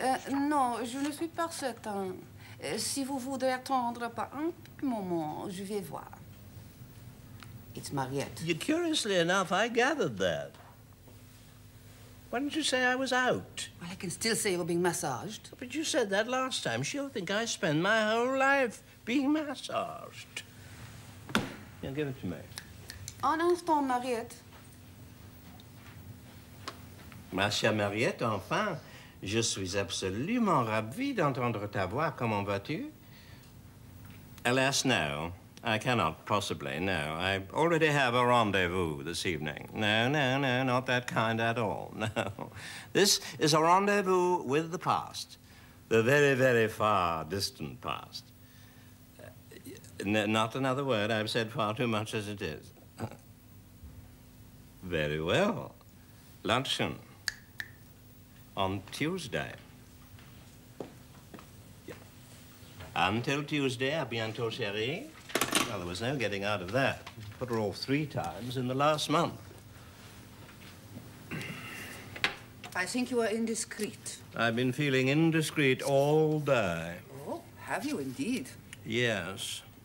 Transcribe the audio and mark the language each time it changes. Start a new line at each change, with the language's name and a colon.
French: Non, je ne suis pas certain. Si vous voudrez attendre pas un petit moment, je vais voir.
English: It's Mariette. You, curiously enough, I gathered that. Why didn't you say I was out? Well, I can still say you're being massaged. But you said that last time. She'll think I spend my whole life being massaged. Yeah, give it to me.
French: Un instant, Mariette. Ma chère Mariette, enfin, je suis absolument ravi d'entendre ta voix. Comment vas-tu?
English: Alas, no. I cannot possibly, no. I already have a rendezvous this evening. No, not that kind at all, no. This is a rendezvous with the past. The very, very far distant past. Not another word. I've said far too much as it is. Very well. Luncheon. On Tuesday. Yeah. Until Tuesday,
French: à bientôt, chérie.
English: Well, there was no getting out of that. Put her off 3 times in the last month. I think you are indiscreet. I've been feeling indiscreet all day. Oh, have you indeed? Yes.